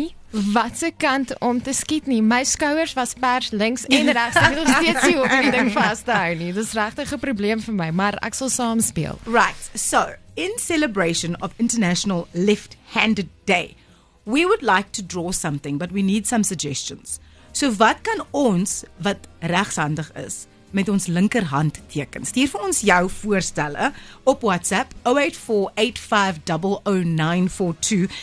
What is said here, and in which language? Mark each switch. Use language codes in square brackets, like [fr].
[af] wat se kant om te skiet nie. My skouers was pers links en regs. Ek wil steeds hier op die ding vasthou nie. Dis regtig 'n probleem vir my, maar ek sal saam speel. [en] Right. So, in celebration of International Left-Handed Day, we would like to draw something, but we need some suggestions. [af] So, wat kan ons wat regshandig is met ons linkerhand teken? Stuur vir ons jou voorstelle op WhatsApp 0848500942.